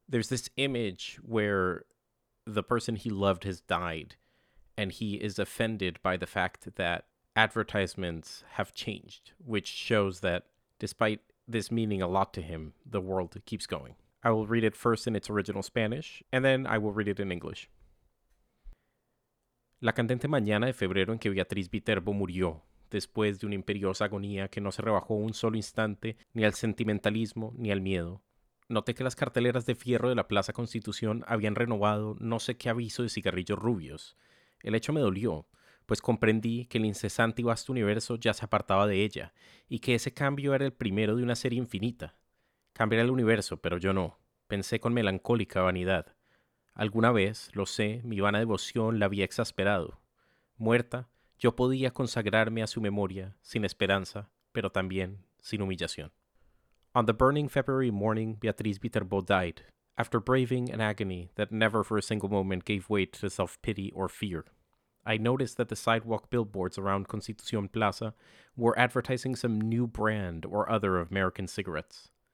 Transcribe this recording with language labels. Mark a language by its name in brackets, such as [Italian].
[English] There's this image where the person he loved has died, and he is offended by the fact that advertisements have changed, which shows that despite this meaning a lot to him, the world keeps going. I will read it first in its original Spanish, and then I will read it in English. [Spanish] La candente mañana de febrero en que Beatriz Viterbo murió, después de una imperiosa agonía que no se rebajó un solo instante ni al sentimentalismo ni al miedo. Noté que las carteleras de fierro de la Plaza Constitución habían renovado no sé qué aviso de cigarrillos rubios. El hecho me dolió, pues comprendí que el incesante y vasto universo ya se apartaba de ella, y que ese cambio era el primero de una serie infinita. Cambiaré el universo, pero yo no, pensé con melancólica vanidad. Alguna vez, lo sé, mi vana devoción la había exasperado. Muerta, yo podía consagrarme a su memoria, sin esperanza, pero también sin humillación. [English] On the burning February morning, Beatriz Viterbo died, after braving an agony that never for a single moment gave way to self-pity or fear. I noticed that the sidewalk billboards around Constitución Plaza were advertising some new brand or other of American cigarettes.